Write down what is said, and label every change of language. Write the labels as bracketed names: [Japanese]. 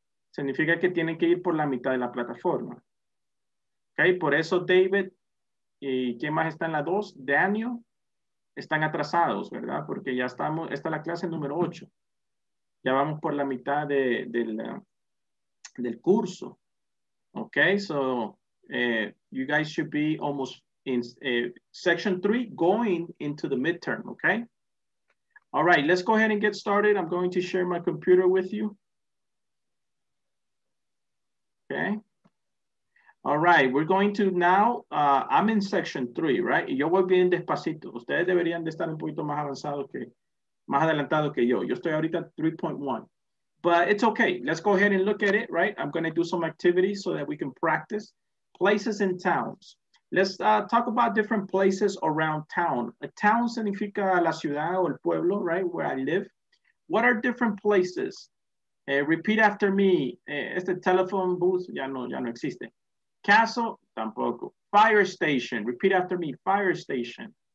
[Spanish] Significa que tienen que ir por la mitad de la plataforma. Okay, por eso David, ¿y quién más está en la 2? Daniel. Están atrasados, ¿verdad? Porque ya estamos, esta es la clase número 8. Ya vamos por la mitad del curso. [English] Okay, so you guys should be almost in section 3 going into the midterm, okay? All right, let's go ahead and get started. I'm going to share my computer with you. Okay. All right, we're going to now, I'm in section 3, right? [Spanish] Y yo voy bien despacito. Ustedes deberían de estar un poquito más avanzado que, más adelantado que yo. Yo estoy ahorita 3.1. [English] But it's okay. Let's go ahead and look at it, right? I'm going to do some activities so that we can practice. Places and towns. Let's talk about different places around town. [Spanish] A town significa la ciudad o el pueblo, right? [English] Where I live. What are different places? Repeat after me. [Spanish] Este telephone booth ya no existe. Castle, tampoco. [English] Fire station, repeat after me. Fire station.